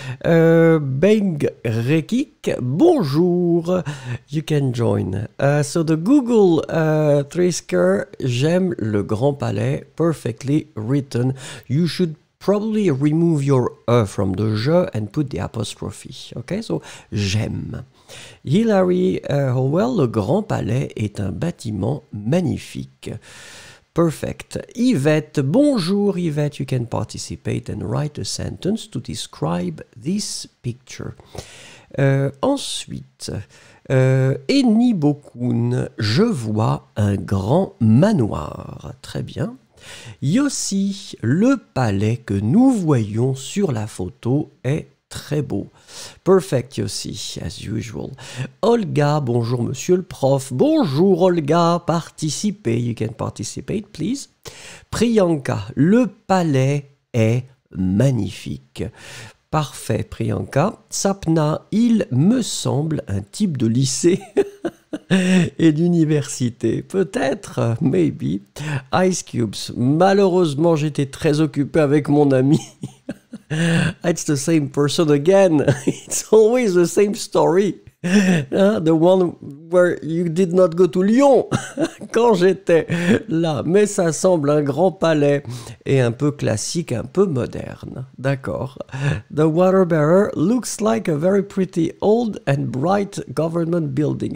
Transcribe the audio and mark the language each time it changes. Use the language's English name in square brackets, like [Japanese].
[English] Beng Rekik, bonjour, you can join. So the Google Trisker, [French] j'aime le grand palais, [English] perfectly written. You should probably remove your E from the je and put the apostrophe, okay? So j'aime. [French] Hilary Howell, le grand palais est un bâtiment magnifique. [English] Perfect. Yvette, bonjour Yvette, you can participate and write a sentence to describe this picture. [French] Ensuite, Enibokun, je vois un grand manoir. Très bien. Yossi, le palais que nous voyons sur la photo est très beau. [English] Perfect, Yossi, as usual. Olga, [French] bonjour, monsieur le prof. Bonjour, Olga, participez. [English] You can participate, please. [French] Priyanka, le palais est magnifique. Parfait, Priyanka. Sapna, il me semble un type de lycée et d'université. Peut-être, [English] maybe. [French] Ice Cubes, malheureusement, j'étais très occupé avec mon ami. [English] It's the same person again. It's always the same story. The one where you did not go to Lyon [French] quand j'étais là. Mais ça semble un grand palais et un peu classique, un peu moderne. D'accord. [English] The water bearer looks like a very pretty old and bright government building.